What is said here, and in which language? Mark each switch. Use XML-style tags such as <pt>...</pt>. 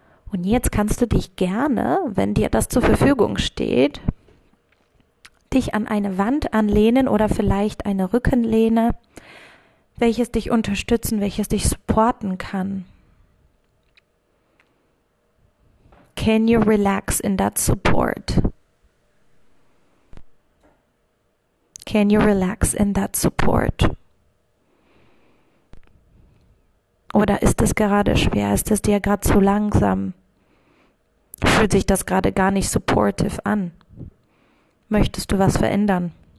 <de>Und jetzt kannst du dich gerne, wenn dir das zur Verfügung steht, dich an eine Wand anlehnen oder vielleicht eine Rückenlehne, welches dich unterstützen, welches dich supporten kann.</de> <en>Can you relax in that support? Can you relax in that support?</en> <de>Oder ist es gerade schwer? Ist es dir gerade zu langsam? Fühlt sich das gerade gar nicht supportive an? Möchtest du was verändern?</de>